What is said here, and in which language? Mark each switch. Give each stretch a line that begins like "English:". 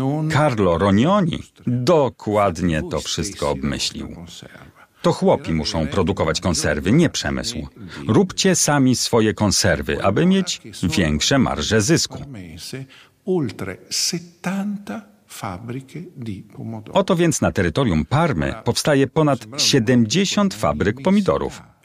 Polish: Carlo Rognoni dokładnie to wszystko obmyślił. To chłopi muszą produkować konserwy, nie przemysł. Róbcie sami swoje konserwy, aby mieć większe marże zysku.
Italian: Oltre 70 fabbriche di pomodoro.
Polish: Oto więc na terytorium Parmy powstaje ponad 70 fabryk pomidorów.